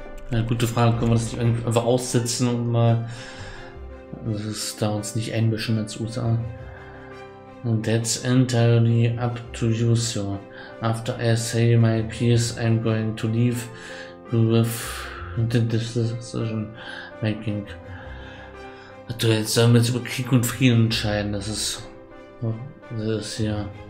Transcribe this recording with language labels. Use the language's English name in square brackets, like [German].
[German] Eine gute Frage, können wir das nicht einfach aussetzen und mal das da uns nicht einmischen als USA? [English] And that's entirely up to you, sir. After I say my piece, I'm going to leave with the decision making. [German] Also jetzt sollen wir jetzt über Krieg und Frieden entscheiden, das ist ja.